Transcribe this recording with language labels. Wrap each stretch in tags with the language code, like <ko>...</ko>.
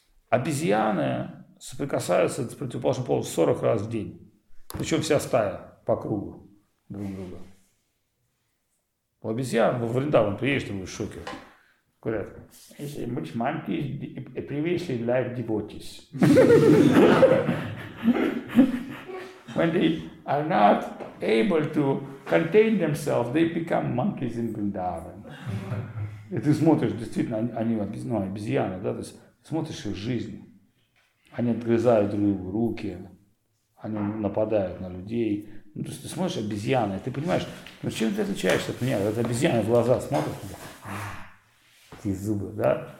<ru>Обезьяны соприкасаются с противоположным полом 40 раз в день. Причем вся стая по кругу друг друга. У обезьян, во Вриндаван приедешь, ты будешь в шоке. Говорят: «Если быть мамки, привезли</ru> <en>life devotees». When they are not able to contain themselves, they become monkeys in Vrindavan.</en> <ru>И ты смотришь, действительно, они обезьяны, да, то есть смотришь их жизнь. Они отгрызают друг другу руки, они нападают на людей. Ну, то есть ты смотришь обезьяны, ты понимаешь, ну чем ты отличаешься от меня? Это обезьяны в глаза смотрят, такие зубы, да?</ru>